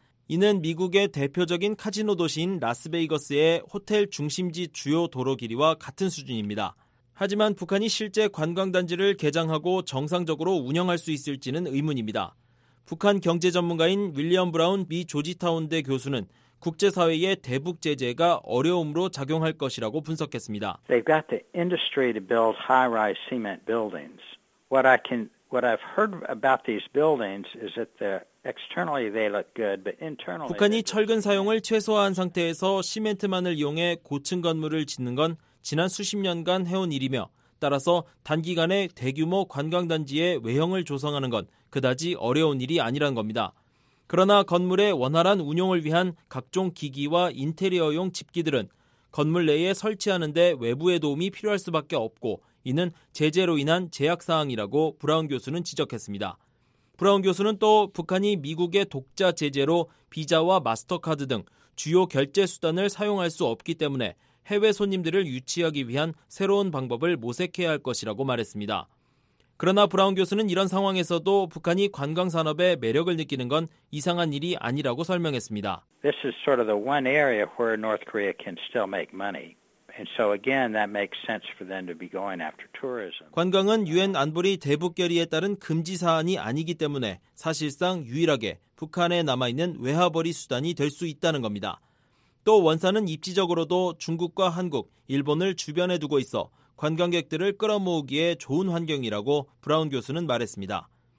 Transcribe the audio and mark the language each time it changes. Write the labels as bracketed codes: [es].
[ko] 이는 미국의 대표적인 카지노 도시인 라스베이거스의 호텔 중심지 주요 도로 길이와 같은 수준입니다. 하지만 북한이 실제 관광단지를 개장하고 정상적으로 운영할 수 있을지는 의문입니다. 북한 경제 전문가인 윌리엄 브라운 미 조지타운대 교수는 국제사회의 대북 제재가 어려움으로 작용할 것이라고 분석했습니다. [en] They've got the industry to build high-rise cement buildings. What I've heard about these buildings is that they're externally they look good, but internally. [ko] 북한이 철근 사용을 최소화한 상태에서 시멘트만을 이용해 고층 건물을 짓는 건 지난 수십 년간 해온 일이며 따라서 단기간에 대규모 관광단지의 외형을 조성하는 건 그다지 어려운 일이 아니라는 겁니다. 그러나 건물의 원활한 운용을 위한 각종 기기와 인테리어용 집기들은 건물 내에 설치하는 데 외부의 도움이 필요할 수밖에 없고 이는 제재로 인한 제약사항이라고 브라운 교수는 지적했습니다. 브라운 교수는 또 북한이 미국의 독자 제재로 비자와 마스터카드 등 주요 결제 수단을 사용할 수 없기 때문에 해외 손님들을 유치하기 위한 새로운 방법을 모색해야 할 것이라고 말했습니다. 그러나 브라운 교수는 이런 상황에서도 북한이 관광산업에 매력을 느끼는 건 이상한 일이 아니라고 설명했습니다. [en] This is sort of the one area where North Korea can still make money. And so again, that makes sense for them to be going after tourism. [ko] 관광은 유엔 안보리 대북 결의에 따른 금지 사안이 아니기 때문에 사실상 유일하게 북한에 남아있는 외화벌이 수단이 될 수 있다는 겁니다. 또 원산은 입지적으로도 중국과 한국, 일본을 주변에 두고 있어 관광객들을 끌어모으기에 좋은 환경이라고 브라운 교수는 말했습니다.